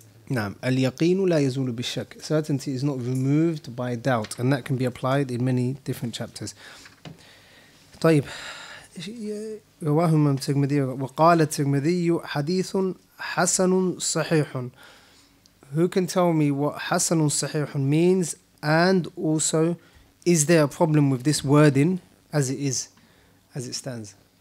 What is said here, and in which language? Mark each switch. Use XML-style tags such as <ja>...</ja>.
<ar>Naam, al-yaqeenu la yazulu bishak.</ar> <en>Certainty is not removed by doubt, and that can be applied in many different chapters.</en> <ar>طيب, رواهم من ترمذي وقال ترمذي حديث حسن صحيح.</ar> <en>Who can tell me what Hassan al-Sahih means, and also is there a problem with this wording as it is, as it stands?</en>